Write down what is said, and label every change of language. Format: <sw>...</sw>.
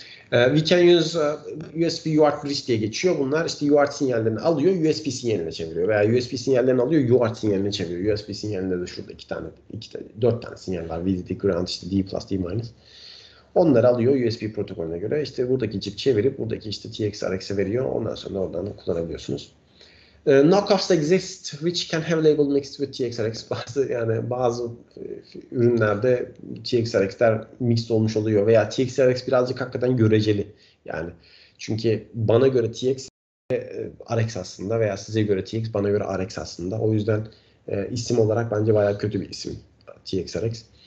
<en>We can use USB UART bridge</en> <tr>diye geçiyor. Bunlar işte UART sinyallerini alıyor, USB sinyaline çeviriyor. Veya USB sinyallerini alıyor, UART sinyaline çeviriyor. USB sinyalinde de şurada dört tane sinyal var. VDD, ground, işte D+, D-. Onları alıyor USB protokolüne göre. İşte buradaki chip çevirip, buradaki işte TX, RX'e veriyor. Ondan sonra oradan kullanabiliyorsunuz.</tr> <en>Knockoffs exist which can have label mixed with TXRX.</en> <tr>Bazı ürünlerde TXRX'ler mixed olmuş oluyor veya TXRX birazcık hakikaten göreceli. Yani çünkü bana göre TX RX aslında veya size göre TX bana göre RX aslında. O yüzden isim olarak bence bayağı kötü bir isim TXRX.</tr>